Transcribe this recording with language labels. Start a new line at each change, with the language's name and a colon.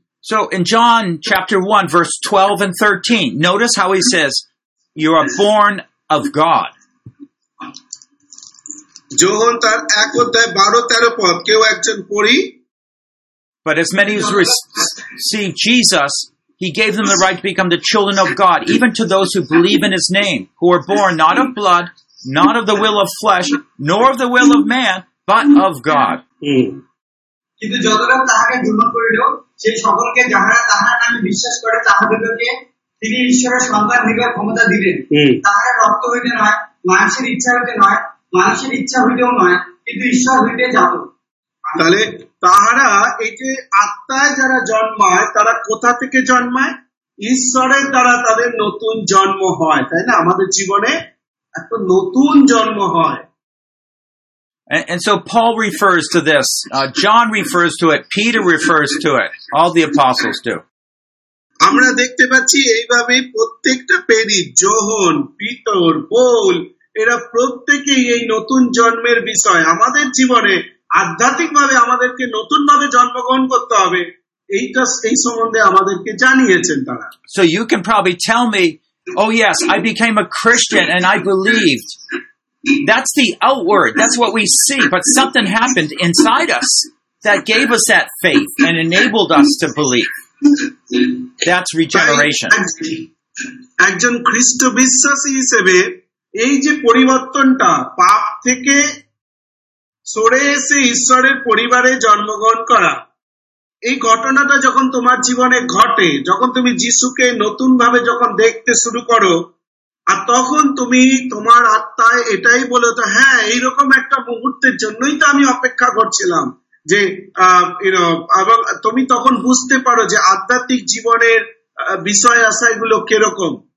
English: So in John chapter 1 verse 12 and 13, notice how he says, you are born of God.
Bangla: যখন তার এক অধ্যায় বারো তেরো পদ কেউ একজন পড়ি,
English: but as many as received Jesus, he gave them the right to become the children of God, even to those who believe in his name, who are born not of blood, not of the will of flesh, nor of the will of man, but of God.
Bangla: কিন্তু যতটা তাহাকে গ্রহণ করিল সেই সকলকে যাহারা তাহার নামে বিশ্বাস করে তাহাদেরকে তিনি ঈশ্বরের সন্তান হইবার ক্ষমতা দিলেন, তাহারা রক্ত হইতে নয়, মানুষের ইচ্ছা হইতে নয়, মানুষের ইচ্ছা হইতেও নয়, কিন্তু ঈশ্বর হইতে যাব। তাহলে তাহারা এই যে আত্মায় যারা জন্মায় তারা কোথা থেকে জন্মায়? ঈশ্বরের দ্বারা তাদের নতুন জন্ম হয়, তাই না? আমাদের জীবনে একটা নতুন জন্ম হয়।
English: And so Paul refers to this. John refers to it. Peter refers to it. All the apostles do.
Bangla: আমরা দেখতে পাচ্ছি এইভাবে প্রত্যেকটা পেরি জোহন পিটার পল এরা প্রত্যেকেই এই নতুন জন্মের বিষয় আমাদের জীবনে আধ্যাত্মিকভাবে আমাদেরকে নতুন ভাবে জন্মগ্রহণ করতে হবে এইটা এই সম্বন্ধে আমাদেরকে জানিয়েছেন তারা
English: So you can probably tell me oh yes I became a Christian and I believed that's the outward that's what we see but something happened inside us that gave us that faith and enabled us to believe That's regeneration.
Bangla: একজন খ্রিস্ট বিশ্বাসী হিসেবে এই যে পরিবর্তনটা পাপ থেকে সরে এসে ঈশ্বরের পরিবারে জন্মগ্রহণ করা এই ঘটনাটা যখন তোমার জীবনে ঘটে যখন তুমি যিশুকে নতুন ভাবে যখন দেখতে শুরু করো আর তখন তুমি তোমার আত্মায় এটাই বলো তো হ্যাঁ এইরকম একটা মুহূর্তের জন্যই তো আমি অপেক্ষা করছিলাম যে এবং তুমি তখন বুঝতে পারো যে আধ্যাত্মিক জীবনের বিষয় আশায় গুলো কিরকম